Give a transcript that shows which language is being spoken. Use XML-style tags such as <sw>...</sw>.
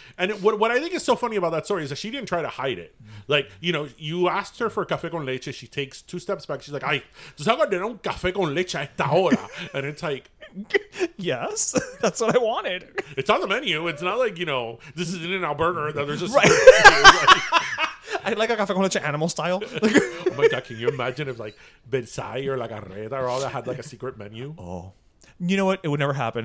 <en>And what I think is so funny about that story is that she didn't try to hide it. Like, you know, you asked her for café con leche. She takes two steps back. She's like,</en> <es>ay, ¿tú sabes que un café con leche a esta hora?</es> <en>And it's like... Yes, that's what I wanted. It's on the menu. It's not like, you know, this is in an Alberta that there's just... Right. I like a café con leche animal style. Oh my god, can you imagine if like Bensai or La Garreta or all that had like a secret menu? Oh. You know what? It would never happen.</en>